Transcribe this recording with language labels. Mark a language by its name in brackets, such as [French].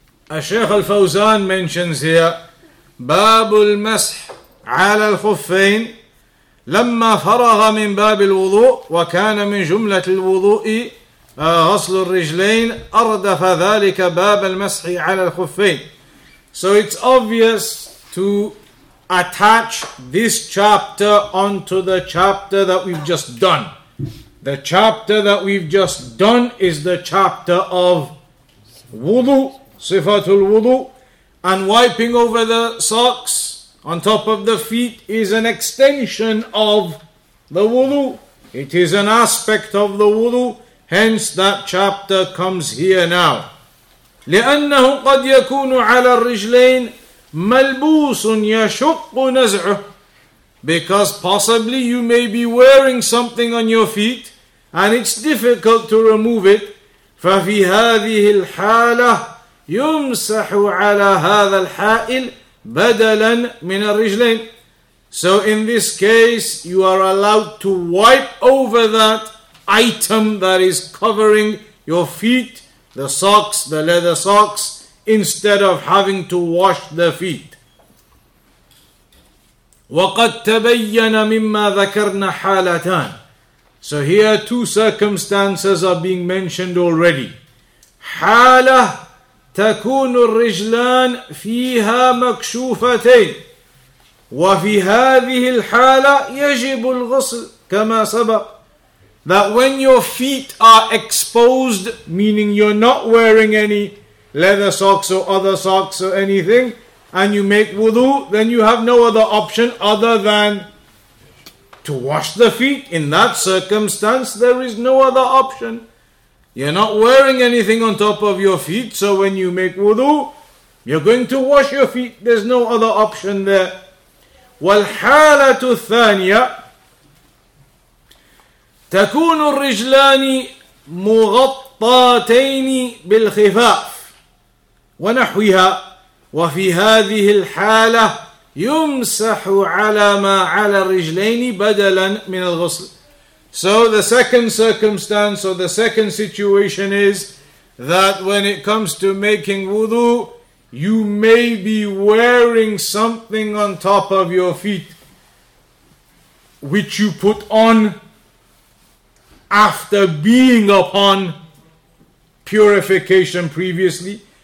[English] Sheikh Al-Fawzan mentions here, [Arabic] باب المسح على الخفين لما فرغ من باب الوضوء وكان من جملة الوضوء غسل الرجلين أردف ذلك باب المسح على الخفين. [English] So it's obvious to attach this chapter onto the chapter that we've just done. The chapter that we've just done is the chapter of wudu, Sifatul Wudu, and wiping over the socks on top of the feet is an extension of the wudu. It is an aspect of the wudu. Hence that chapter comes here now. [Arabic] لأنه قد يكون على الرجلين ملبوس يشق نزعه. [English] Because possibly you may be wearing something on your feet and it's difficult to remove it. [Arabic] ففي هذه الحالة يمسح على هذا الحائل بدلا من الرجلين. [English] So in this case, you are allowed to wipe over that item that is covering your feet, the socks, the leather socks, instead of having to wash the feet. [Arabic] وقد تبين مما ذكرنا حالتان. [English] So here two circumstances are being mentioned already. [Arabic] حالة تكون الرجلان فيها مكشوفتين وفي هذه الحالة يجب الغسل كما سبق. [English] That when your feet are exposed, meaning you're not wearing any leather socks or other socks or anything, and you make wudu, then you have no other option other than to wash the feet. In that circumstance, there is no other option. You're not wearing anything on top of your feet, so when you make wudu, you're going to wash your feet. There's no other option there. [Arabic] والحالة الثانية تكون الرجلان مغطاتين بالخفاف ونحوها. وفي هذه الحالة يمسح على ما على الرجلين بدلا من الغسل. [English] So the second circumstance or the second situation is that when it comes to making wudu, you may be wearing something on top of your feet which you put on after being upon purification previously.